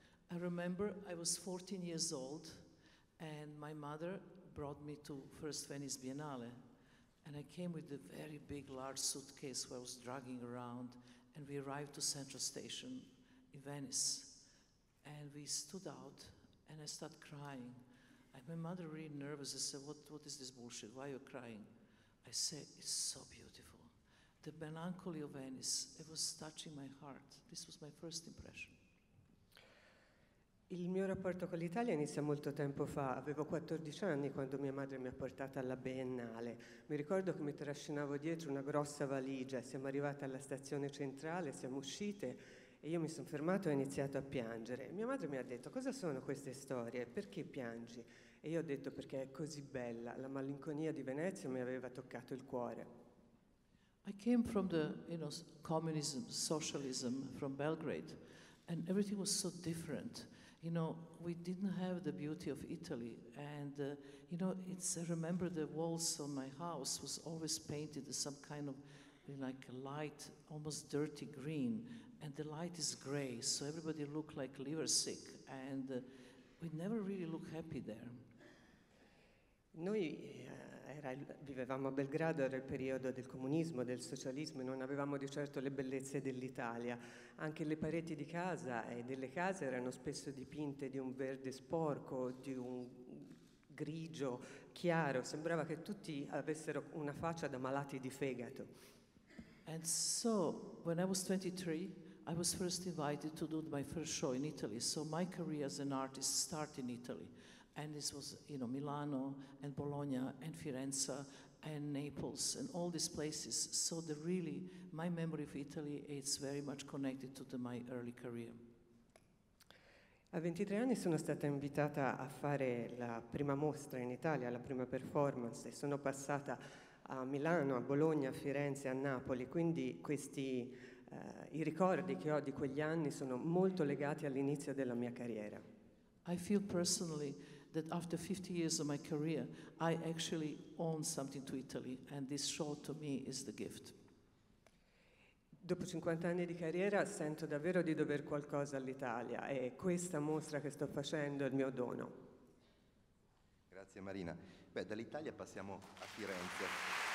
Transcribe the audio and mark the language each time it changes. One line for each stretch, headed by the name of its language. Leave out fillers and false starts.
English: I remember I was 14 years old and my mother brought me to First Venice Biennale, and I came with a very big large suitcase where I was dragging around, and we arrived to Central Station in Venice and we stood out and I started crying. And my mother really nervous, I said, what is this bullshit? Why are you crying? I said, it's so beautiful. The melancholy of Venice, it was touching my heart. This was my first impression.
Italian: Il mio rapporto con l'Italia inizia molto tempo fa. Avevo 14 anni quando mia madre mi ha portata alla Biennale. Mi ricordo che mi trascinavo dietro una grossa valigia. Siamo arrivate alla stazione centrale, siamo uscite e io mi sono fermato e ho iniziato a piangere. Mia madre mi ha detto, cosa sono queste storie? Perché piangi? E io ho detto, perché è così bella. La malinconia di Venezia mi aveva toccato il cuore.
English: I came from the, you know, communism, socialism, from Belgrade, and everything was so different. You know, we didn't have the beauty of Italy, and you know, it's, I remember the walls of my house was always painted in some kind of like light, almost dirty green, and the light is gray, so everybody looked like liver sick, and we never really looked happy there.
Italian: Noi vivevamo a Belgrado, era il periodo del comunismo, del socialismo, e non avevamo di certo le bellezze dell'Italia. Anche le pareti di casa e delle case erano spesso dipinte di un verde sporco, di un grigio chiaro. Sembrava che tutti avessero una faccia da malati di fegato.
English: And so, when I was 23, I was first invited to do my first show in Italy. So my career as an artist started in Italy. And this was, you know, Milano and Bologna and Firenze and Naples and all these places. So the really, my memory of Italy is very much connected to the, my early career.
Italian: A 23 anni sono stata invitata a fare la prima mostra in Italia, la prima performance, e sono passata a Milano, a Bologna, a Firenze, a Napoli. Quindi questi, i ricordi che ho di quegli anni sono molto legati all'inizio della mia carriera.
English: I feel personally that after 50 years of my career, I actually own something to Italy, and this show to me is the gift.
Italian: Dopo 50 anni di carriera sento davvero di dover qualcosa all'Italia, e questa mostra che sto facendo è il mio dono. Grazie Marina. Beh, dall'Italia passiamo a Firenze.